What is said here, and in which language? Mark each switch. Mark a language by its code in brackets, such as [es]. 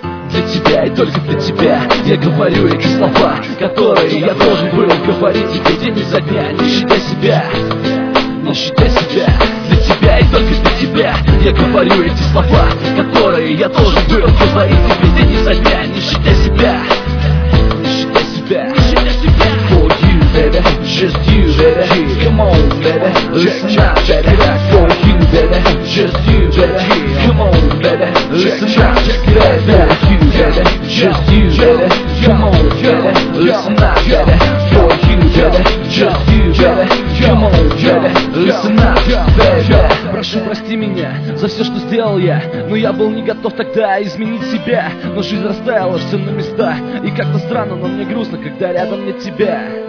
[ru] Для тебя и только для тебя я говорю эти слова, которые я должен был говорить тебе день изо дня. Не щадя себя, не щадя себя. Только для тебя я говорю эти слова, которые я должен был говорить тебе день изо дня. Не щадя себя, не щадя себя, не щадя себя. [en] For you, baby, just you, baby. Come on, baby, listen up, baby. For you, baby, just you, baby. Come on, baby, listen up, baby. For you, baby, just you, baby. Come on, baby, listen up, baby. For you, baby, just you, baby. Come on, baby, listen up, baby. [ru] Прошу, прости меня за все, что сделал я, но я был не готов тогда изменить себя. Но жизнь расставила все на места, и как-то странно, но мне грустно, когда рядом нет тебя.